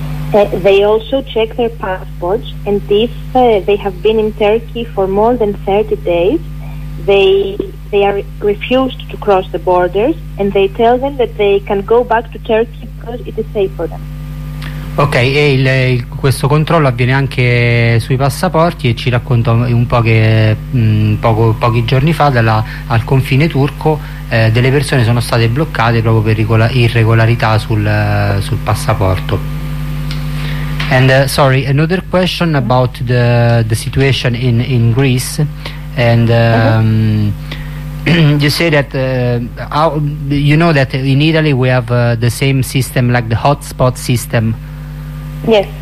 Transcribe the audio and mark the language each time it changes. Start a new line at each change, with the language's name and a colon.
English: They also check their passports, and if they have been in Turkey for more than 30 days, they are refused to cross the borders, and they tell them that they can go back to Turkey because it is safe for them.
Italian: Ok, e questo controllo avviene anche sui passaporti, e ci racconta un po' che pochi giorni fa al confine turco delle persone sono state bloccate proprio per irregolarità sul passaporto.
English: And sorry, another question about the situation in Greece, and you say that you know that in Italy we have the same system, like the hotspot system. Yes.